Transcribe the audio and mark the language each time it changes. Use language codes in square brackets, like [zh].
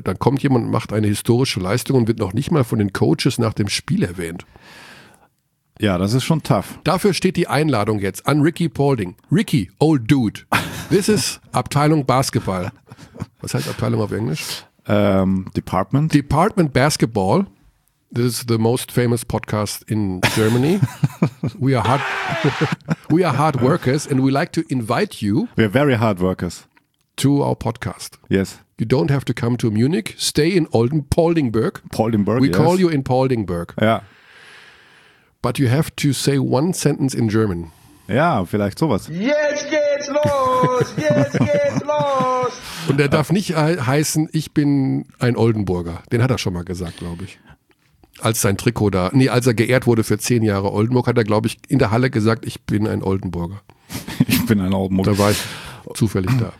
[de] Dann kommt jemand und macht eine historische Leistung und wird noch nicht mal von den Coaches nach dem Spiel erwähnt. Ja, das ist schon tough. Dafür steht die Einladung jetzt an Ricky Paulding. [en] Ricky, old dude, this is Abteilung Basketball. [de] Was heißt Abteilung auf Englisch? [en] Department. Department Basketball. This is the most famous podcast in Germany. We are hard workers and we like to invite you. We are very hard workers. To our podcast. Yes. You don't have to come to Munich. Stay in Paulding-Burg. Paulding-Burg, we yes. call you in Paulding-Burg. Yeah. But you have to say one sentence in German. [de] Ja, vielleicht sowas. Jetzt geht's los! Jetzt geht's los! Und er darf nicht heißen, ich bin ein Oldenburger. Den hat er schon mal gesagt, glaube ich. Als sein Trikot da, nee, als er geehrt wurde für 10 Jahre Oldenburg, hat er, glaube ich, in der Halle gesagt, ich bin ein Oldenburger. Ich bin ein Oldenburger. Da war ich zufällig da.